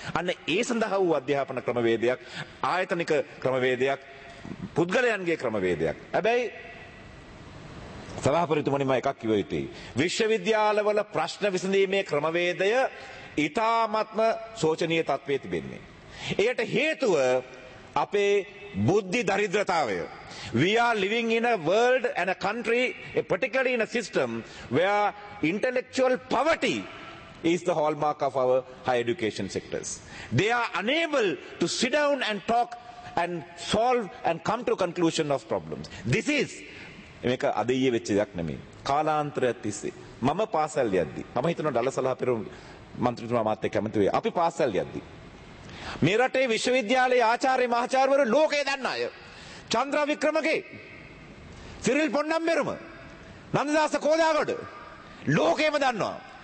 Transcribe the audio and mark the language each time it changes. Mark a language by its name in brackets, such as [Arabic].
[Sinhala] අන්න ඒ සඳහා වූ අධ්‍යාපන ක්‍රමවේදයක්, ආයතනික ක්‍රමවේදයක්, පුද්ගලයන්ගේ ක්‍රමවේදයක්. හැබැයි සභාපතිතුමනි මම එකක් කිව යුතුයි. විශ්වවිද්‍යාලවල ප්‍රශ්න විසඳීමේ ක්‍රමවේදය ඉතාමත්ම සෝචනීය තත්ත්වයේ තිබෙන්නේ. එයට හේතුව අපේ බුද්ධි දරිද්‍රතාවය. [English] We are living in a world and a country, particularly in a system where intellectual poverty is the hallmark of our higher education sectors. They are unable to sit down and talk and solve and come to conclusion of problems. This is [Sinhala] මේක අදියේ වෙච්ච දෙයක් නෙමෙයි. කාලාන්තරය තිස්සේ මම පාසල් යද්දි මම හිතනවා ඩලසලහ පෙරු මන්ත්‍රීතුමා මාත් එක්ක කැමති වෙයි. අපි පාසල් යද්දි මේ රටේ විශ්වවිද්‍යාලයේ ආචාර්ය මහාචාර්යවරු ලෝකේ දන්න අය. චන්ද්‍ර වික්‍රමගේ, සිරිල් පොන්නම්බෙරුම, නන්දදාස කෝදාගොඩ ලෝකේම දන්නවා.